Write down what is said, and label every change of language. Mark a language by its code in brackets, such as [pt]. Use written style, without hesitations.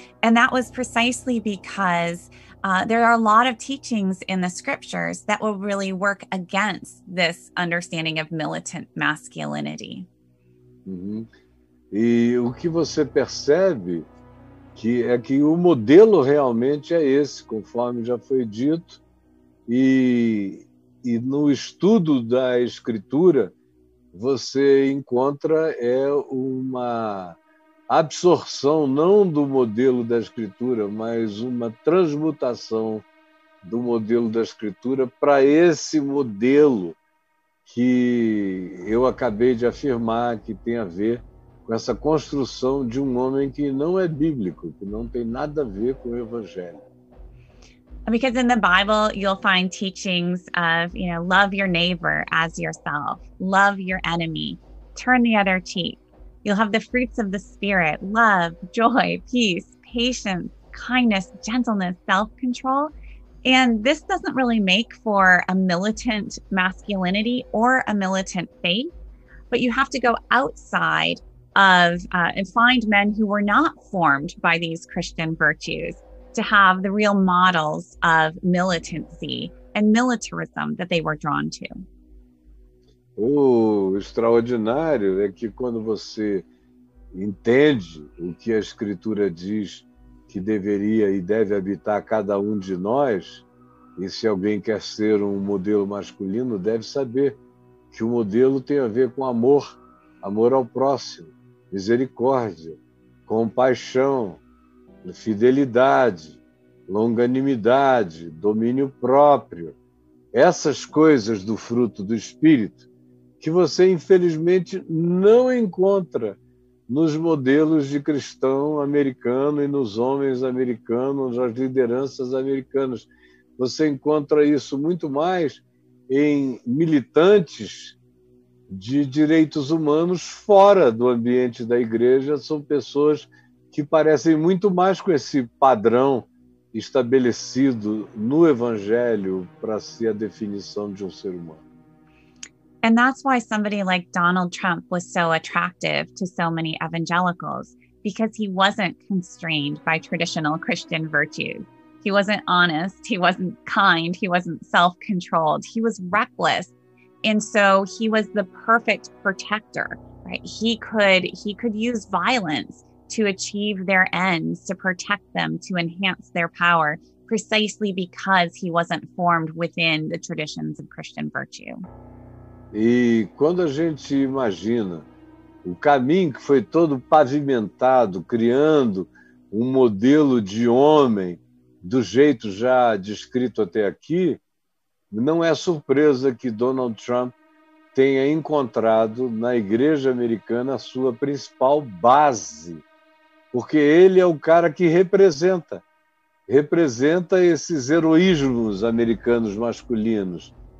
[en] And that was precisely because there are a lot of teachings in the scriptures that will really work against this understanding of militant masculinity. Mm-hmm. [pt] E o que você percebe que é que o modelo realmente é esse, conforme já foi dito, e no estudo da escritura você encontra é uma absorção não do modelo da escritura, mas uma transmutação do modelo da escritura para esse modelo que eu acabei de afirmar que tem a ver essa construção de um homem que não é bíblico, que não tem nada a ver com o evangelho. [en] Because in the Bible you'll find teachings of, you know, love your neighbor as yourself, love your enemy, turn the other cheek. You'll have the fruits of the spirit, love, joy, peace, patience, kindness, gentleness, self-control. And this doesn't really make for a militant masculinity or a militant faith, but you have to go outside of and find men who were not formed by these Christian virtues to have the real models of militancy and militarism that they were drawn to. [pt] O extraordinário é que quando você entende o que a escritura diz que deveria e deve habitar cada um de nós, e se alguém quer ser um modelo masculino, deve saber que o modelo tem a ver com amor, amor ao próximo, misericórdia, compaixão, fidelidade, longanimidade, domínio próprio. Essas coisas do fruto do Espírito que você, infelizmente, não encontra nos modelos de cristão americano e nos homens americanos, nas lideranças americanas. Você encontra isso muito mais em militantes de direitos humanos fora do ambiente da igreja são pessoas que parecem muito mais com esse padrão estabelecido no evangelho para ser a definição de um ser humano. [en] And that's why somebody like Donald Trump was so attractive to so many evangelicals, because he wasn't constrained by traditional Christian virtues. He wasn't honest, he wasn't kind, he wasn't self-controlled, he was reckless. And so he was the perfect protector, right? He could use violence to achieve their ends, to protect them, to enhance their power, precisely because he wasn't formed within the traditions of Christian virtue. [pt] E quando a gente imagina o caminho que foi todo pavimentado, criando um modelo de homem do jeito já descrito até aqui, não é surpresa que Donald Trump tenha encontrado na igreja americana a sua principal base, porque ele é o cara que representa esses heroísmos americanos masculinos.